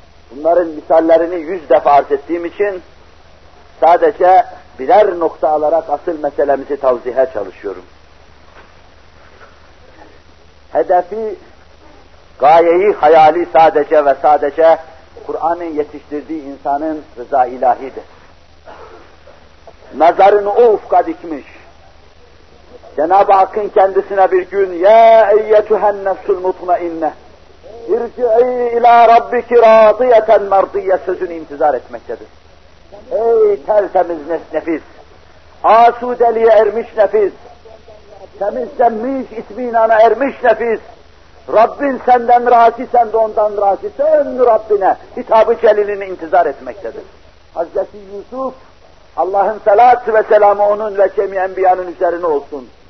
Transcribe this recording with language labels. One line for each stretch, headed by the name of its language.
Turkish: Bunların misallerini 100 defa arz ettiğim için sadece birer nokta alarak asıl meselemizi tavzihe çalışıyorum. Hedefi, gayeyi, hayali sadece ve sadece Kur'an'ın yetiştirdiği insanın rıza ilahidir. Nazarını o ufka dikmiş. Cenab-ı Hakk'ın kendisine bir gün
Arabic: يَا اَيَّتُهَا النَّفْسُ الْمُطْمَئِنَّ اِرْجِعِي اِلَى رَبِّكِ رَاضِيَةً مَرْضِيَّ
Turkish: sözünü intizar etmektedir. Ey tertemiz nefis, asudeliğe ermiş nefis, temizlenmiş itminana ermiş nefis, Rabbin senden razı, sen de ondan razı, sen Rabbine hitab-ı celilini intizar etmektedir. Hazreti Yusuf, Allah'ın salatı ve selamı onun ve cem-i enbiyanın üzerine olsun.